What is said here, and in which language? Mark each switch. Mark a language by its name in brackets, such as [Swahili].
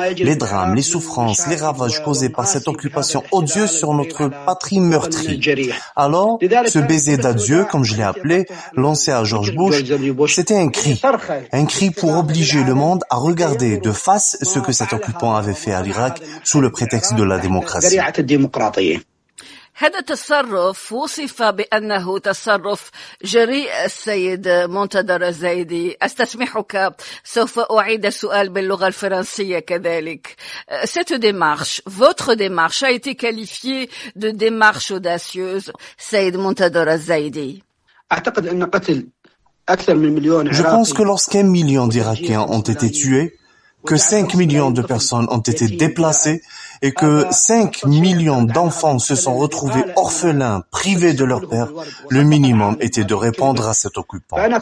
[French] Les drames, les souffrances, les ravages causés par cette occupation odieuse sur notre patrie meurtrie. Alors, ce baiser d'adieu, comme je l'ai appelé, lancé à George Bush, c'était un cri. Un cri pour obliger le monde à regarder de face ce que cet occupant avait fait à l'Irak sous le prétexte de la démocratie. [Arabic] هذا التصرف وصف بأنه تصرف جريء السيد منتدر الزايدي. استسمحك سوف أعيد السؤال باللغة الفرنسية كذلك. [French] Cette démarche, votre démarche a été qualifiée de démarche audacieuse, سيد منتدر الزايدي. Je pense que lorsqu'un million d'Irakiens ont été tués, que 5 millions de personnes ont été déplacées et que 5 millions d'enfants se sont retrouvés orphelins, privés de leur père, le minimum était de répondre à cet occupant.